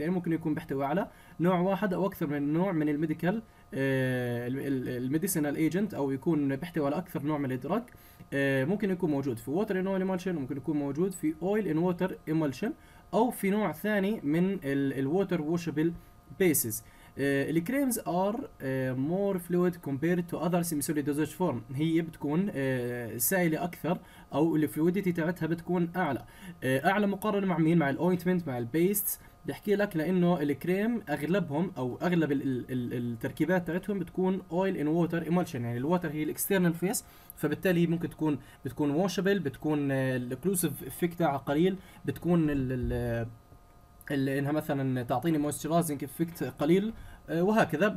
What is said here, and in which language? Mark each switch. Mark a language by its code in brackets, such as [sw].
[ar] يعني ممكن يكون بيحتوي على نوع واحد أو أكثر من نوع من الميديكال الميديسينال ايجنت، أو يكون بيحتوي على أكثر نوع من الدراج. ممكن يكون موجود في [en] water in oil emulsion، [ar] ممكن يكون موجود في [en] oil in water emulsion، [ar] أو في نوع ثاني من ال [en] water washable bases. The creams are more fluid compared to other semi-solid dosage form. [ar] هي بتكون سائلة أكثر أو الفلويديتي تبعتها بتكون أعلى. أعلى مقارنة مع مين؟ مع الأوينتمنت، مع البيست. بحكي لك لأنه الكريم أغلبهم أو أغلب التركيبات تبعتهم بتكون [en] oil in water emulsion، [ar] يعني الواتر هي الاكسترنال فيس، فبالتالي هي ممكن بتكون washable، بتكون الاكلوسيف افكتها قليل، بتكون انها مثلا تعطيني مويستشرايزنج افكت قليل وهكذا.